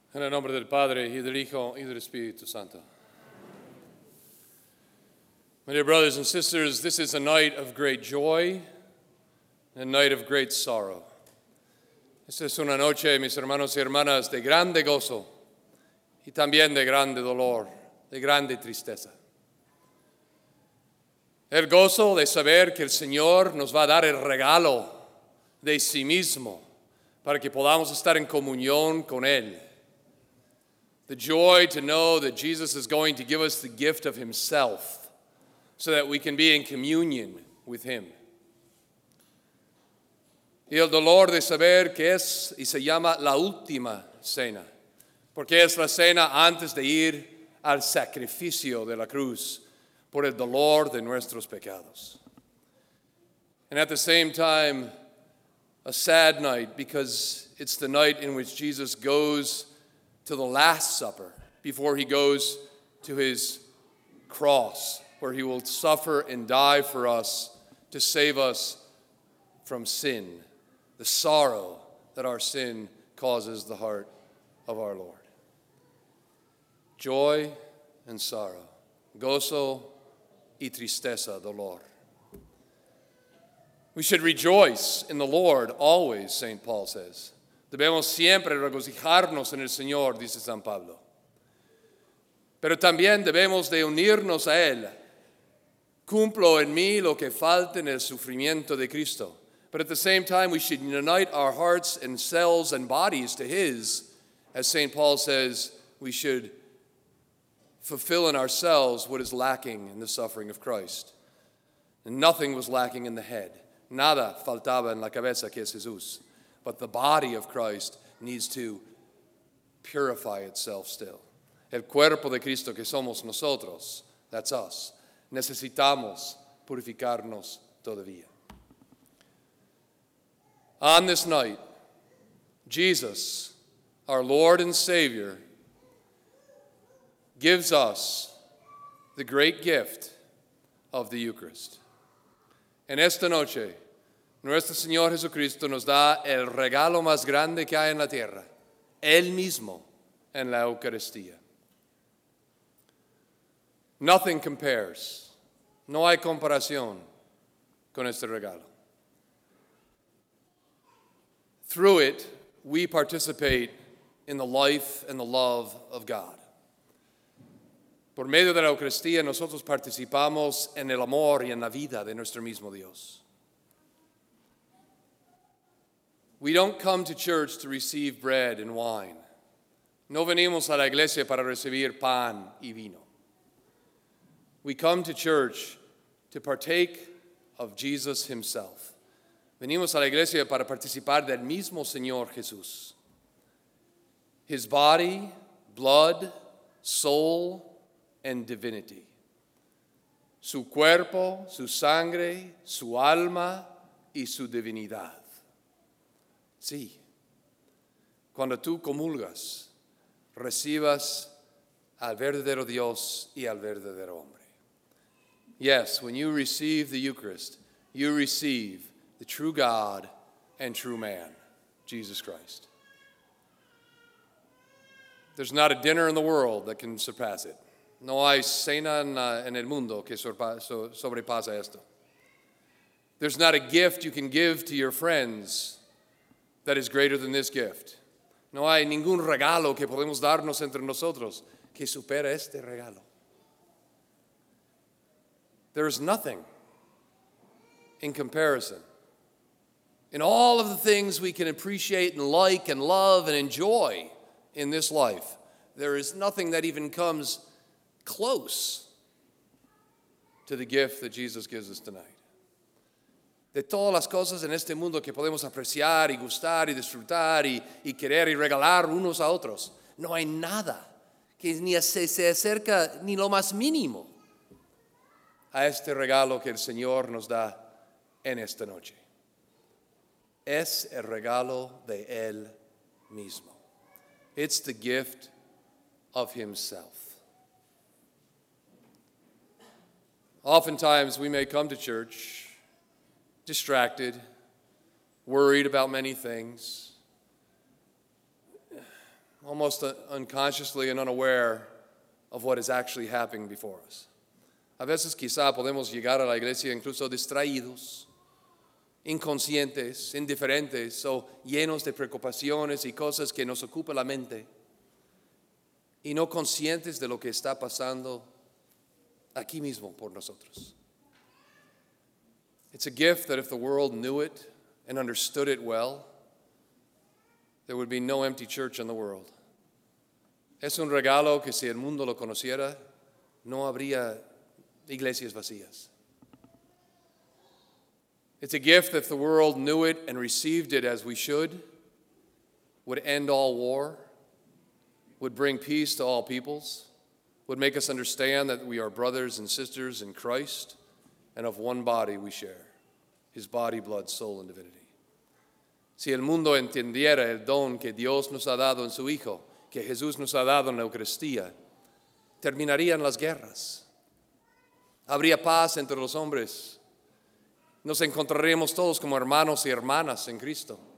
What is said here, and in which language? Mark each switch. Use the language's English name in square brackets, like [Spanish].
[Spanish] En el nombre del Padre, y del Hijo, y del Espíritu Santo. [English] My dear brothers and sisters, this is a night of great joy, a night of great sorrow. [Spanish] Esta es una noche, mis hermanos y hermanas, de grande gozo, y también de grande dolor, de grande tristeza. El gozo de saber que el Señor nos va a dar el regalo de sí mismo para que podamos estar en comunión con Él. [English] The joy to know that Jesus is going to give us the gift of Himself so that we can be in communion with Him. [Spanish] Y el dolor de saber que es y se llama la última cena, porque es la cena antes de ir al sacrificio de la cruz por el dolor de nuestros pecados. [English] And at the same time, a sad night because it's the night in which Jesus goes to the Last Supper before he goes to his cross, where he will suffer and die for us to save us from sin, the sorrow that our sin causes the heart of our Lord. Joy and sorrow, [Spanish] gozo y tristeza, dolor. [English] We should rejoice in the Lord always, St. Paul says. [Spanish] Debemos siempre regocijarnos en el Señor, dice San Pablo. Pero también debemos de unirnos a Él. Cumplo en mí lo que falta en el sufrimiento de Cristo. [English] But at the same time, we should unite our hearts and cells and bodies to His, as St. Paul says, we should fulfill in ourselves what is lacking in the suffering of Christ. And nothing was lacking in the head. [Spanish] Nada faltaba en la cabeza, que es Jesús. [English] But the body of Christ needs to purify itself still. [Spanish] El cuerpo de Cristo que somos nosotros, [English] that's us, [Spanish] necesitamos purificarnos todavía. [English] On this night, Jesus, our Lord and Savior, gives us the great gift of the Eucharist. [Spanish] En esta noche, nuestro Señor Jesucristo nos da el regalo más grande que hay en la tierra, Él mismo en la Eucaristía. [English] Nothing compares, [Spanish] no hay comparación con este regalo. [English] Through it, we participate in the life and the love of God. [Spanish] Por medio de la Eucaristía, nosotros participamos en el amor y en la vida de nuestro mismo Dios. [English] We don't come to church to receive bread and wine. [Spanish] No venimos a la iglesia para recibir pan y vino. [English] We come to church to partake of Jesus himself. [Spanish] Venimos a la iglesia para participar del mismo Señor Jesús. [English] His body, blood, soul, and divinity. [Spanish] Su cuerpo, su sangre, su alma, y su divinidad. Sí, cuando tú comulgas, recibas al verdadero Dios y al verdadero hombre. [English] Yes, when you receive the Eucharist, you receive the true God and true man, Jesus Christ. There's not a dinner in the world that can surpass it. [Spanish] No hay cena en el mundo que sobrepasa esto. [English] There's not a gift you can give to your friends that is greater than this gift. [Spanish] No hay ningún regalo que podemos darnos entre nosotros que supera este regalo. [English] There is nothing in comparison. In all of the things we can appreciate and like and love and enjoy in this life, there is nothing that even comes close to the gift that Jesus gives us tonight. [Spanish] De todas las cosas en este mundo que podemos apreciar y gustar y disfrutar y querer y regalar unos a otros, no hay nada que ni se acerca ni lo más mínimo a este regalo que el Señor nos da en esta noche. Es el regalo de Él mismo. [English] It's the gift of Himself. Oftentimes we may come to church distracted, worried about many things. almost unconsciously and unaware of what is actually happening before us. [Spanish] A veces quizá podemos llegar a la iglesia incluso distraídos, inconscientes, indiferentes, o llenos de preocupaciones y cosas que nos ocupan la mente, y no conscientes de lo que está pasando aquí mismo por nosotros. [English] It's a gift that if the world knew it and understood it well, there would be no empty church in the world. [Spanish] Es un regalo que si el mundo lo conociera, no habría iglesias vacías. [English] It's a gift that if the world knew it and received it as we should, would end all war, would bring peace to all peoples, would make us understand that we are brothers and sisters in Christ and of one body we share, his body, blood, soul, and divinity. [Spanish] Si el mundo entendiera el don que Dios nos ha dado en su Hijo, que Jesús nos ha dado en la Eucaristía, terminarían las guerras. Habría paz entre los hombres. Nos encontraríamos todos como hermanos y hermanas en Cristo.